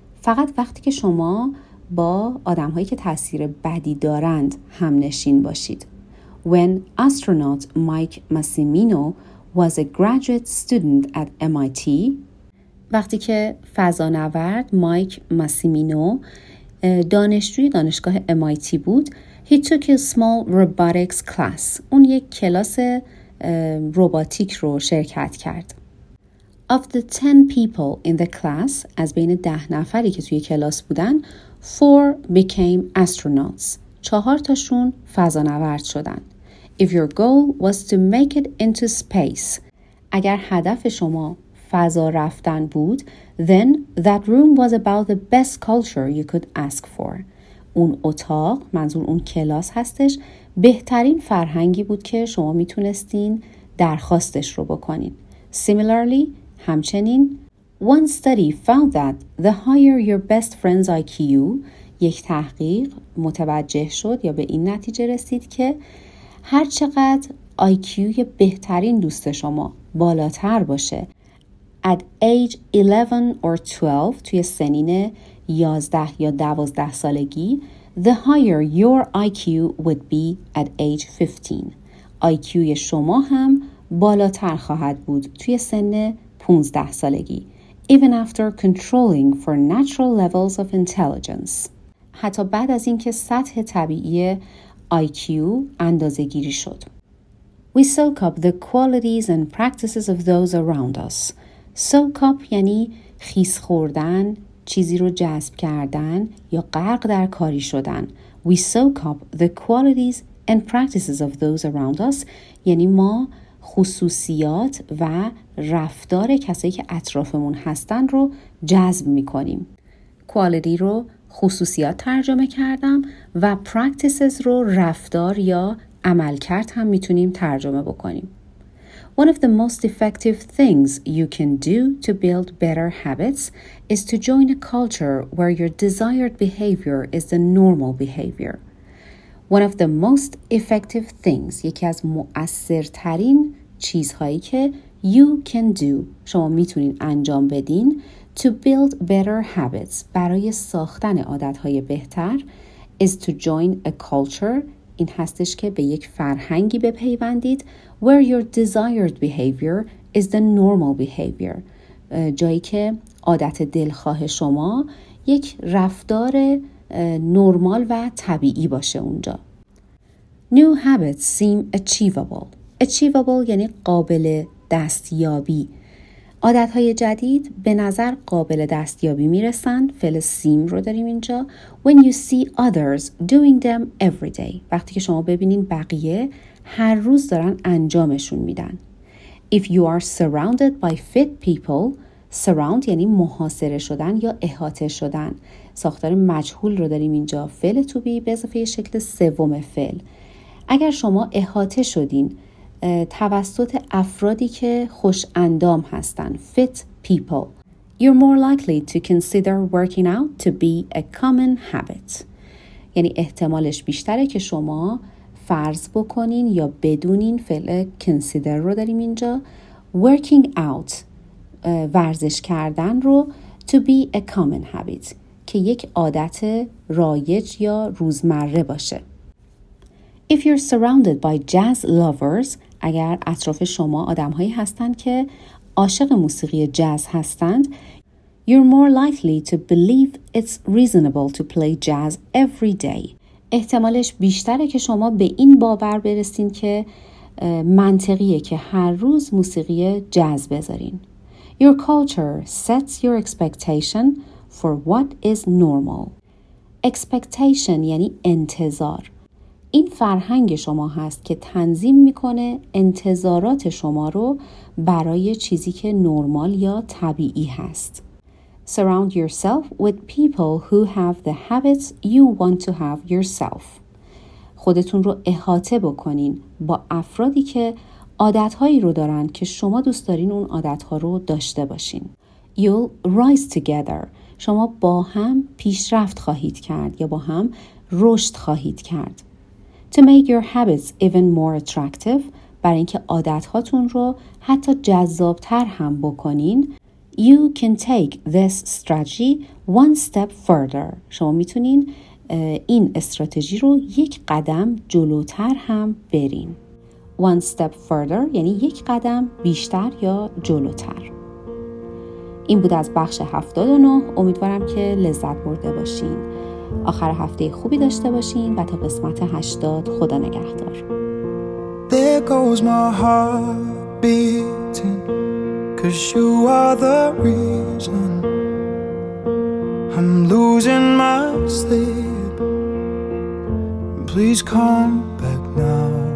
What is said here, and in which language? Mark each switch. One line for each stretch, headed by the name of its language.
Persian: فقط وقتی که شما با آدم‌هایی که تأثیر بدی دارند همنشین باشید.
English: When astronaut Mike Massimino was a graduate student at MIT,
Persian: وقتی که فضانورد مایک ماسیمینو دانشجوی دانشگاه MIT بود,
English: he took a small robotics class.
Persian: اون یک کلاس روباتیک رو شرکت کرد.
English: Of the 10 people in the class,
Persian: از بین 10 نفری که توی کلاس بودن,
English: 4 became astronauts.
Persian: 4 تاشون فضانورد شدن.
English: If your goal was to make it into space,
Persian: اگر هدف شما فضا رفتن بود,
English: then that room was about the best culture you could ask for.
Persian: اون اتاق, منظور اون کلاس هستش, بهترین فرهنگی بود که شما میتونستین درخواستش رو بکنین.
English: Similarly,
Persian: همچنین
English: One study found that the higher your best friend's IQ,
Persian: یک تحقیق متوجه شد یا به این نتیجه رسید که هر چقدر IQ بهترین دوست شما بالاتر باشه،
English: at age 11 or 12
Persian: توی سنین 11 یا 12 سالگی،
English: the higher your IQ would be at age 15.
Persian: IQ شما هم بالاتر خواهد بود توی سن 15 سالگی.
English: Even after controlling for natural levels of intelligence.
Persian: حتی بعد از اینکه سطح طبیعی IQ اندازه‌گیری شد.
English: We soak up the qualities and practices of those around us.
Persian: Soak up یعنی خیس خوردن، چیزی رو جذب کردن یا غرق در کاری شدن.
English: We soak up the qualities and practices of those around us.
Persian: یعنی ما خصوصیات و رفتار کسایی که اطرافمون هستن رو جذب میکنیم. Quality رو خصوصیات ترجمه کردم و practices رو رفتار یا عملکرد هم میتونیم ترجمه بکنیم.
English: One of the most effective things you can do to build better habits is to join a culture where your desired behavior is the normal behavior. One of the most effective things,
Persian: یکی از مؤثرترین چیزهایی که
English: you can do,
Persian: شما میتونین انجام بدین,
English: to build better habits,
Persian: برای ساختن عادتهای بهتر,
English: is to join a culture,
Persian: این هستش که به یک فرهنگی بپیوندید,
English: where your desired behavior is the normal behavior,
Persian: جایی که عادت دلخواه شما یک رفتار نرمال و طبیعی باشه اونجا.
English: New habits seem achievable.
Persian: Achievable یعنی قابل دستیابی. عادت‌های جدید به نظر قابل دستیابی میرسن. فعل seem رو داریم اینجا.
English: When you see others doing them every day.
Persian: وقتی که شما ببینین بقیه هر روز دارن انجامشون میدن.
English: If you are surrounded by fit people.
Persian: Surround یعنی محاصره شدن یا احاطه شدن. ساختار مجهول رو داریم اینجا. فعل to be به اضافه شکل سوم فعل. اگر شما احاطه شدین توسط افرادی که خوش اندام هستن،
English: fit people، you're more likely to consider working out to be a common habit.
Persian: یعنی احتمالش بیشتره که شما فرض بکنین یا بدونین، فعل consider رو داریم اینجا، working out، ورزش کردن رو،
English: to be a common habit،
Persian: که یک عادت رایج یا روزمره باشه.
English: If you're surrounded by jazz lovers,
Persian: اگر اطراف شما آدم هایی هستند که عاشق موسیقی جاز هستند,
English: you're more likely to believe it's reasonable to play jazz every day.
Persian: احتمالش بیشتره که شما به این باور برسین که منطقیه که هر روز موسیقی جاز بذارین.
English: Your culture sets your expectation for what is normal.
Persian: Expectation یعنی انتظار. این فرهنگ شما هست که تنظیم میکنه انتظارات شما رو برای چیزی که نرمال یا طبیعی هست.
English: Surround yourself with people who have the habits you want to have yourself.
Persian: خودتون رو احاطه بکنین با افرادی که عادتهایی رو دارن که شما دوست دارین اون عادتها رو داشته باشین.
English: You'll rise together.
Persian: شما با هم پیشرفت خواهید کرد یا با هم رشد خواهید کرد.
English: To make your habits even more attractive,
Persian: برای اینکه عادت هاتون رو حتی جذاب تر هم بکنین,
English: you can take this strategy one step further.
Persian: شما میتونین این استراتژی رو یک قدم جلوتر هم برین. One step further یعنی یک قدم بیشتر یا جلوتر. این بود از بخش 79. امیدوارم که لذت برده باشین. آخر هفته خوبی داشته باشین و تا قسمت 80 خدا نگهدار.
English: There goes my heart beating, 'cause you are the reason I'm losing my sleep. Please come back now.